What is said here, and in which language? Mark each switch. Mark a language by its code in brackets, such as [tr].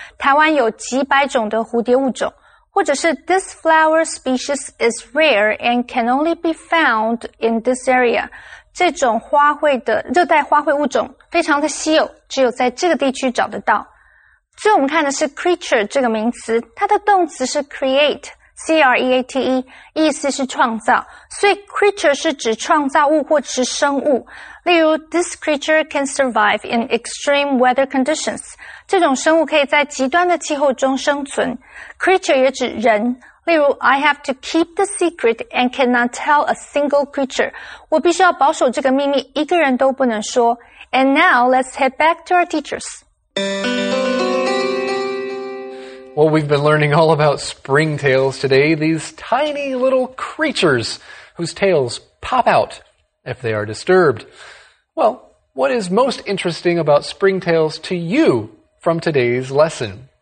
[zh] 台湾有几百种的蝴蝶物种。或者是 [en] This flower species is rare and can only be found in this area. [zh] 这种花卉的热带花卉物种非常的稀有，只有在这个地区找得到。最后我们看的是 creature 这个名词，它的动词是 create, C-R-E-A-T-E, 意思是创造。所以 creature 是指创造物或是生物。例如 [en] This creature can survive in extreme weather conditions. [zh] 这种生物可以在极端的气候中生存。 [en] Creature [zh] 也指人，例如 [en] I have to keep the secret and cannot tell a single creature. [zh] 我必须要保守这个秘密，一个人都不能说。 [en] And now, let's head back to our teachers. Well, we've been learning all about springtails today, these tiny little creatures whose tails pop out if they are disturbed. Well, what is most interesting about springtails to you from today's lesson?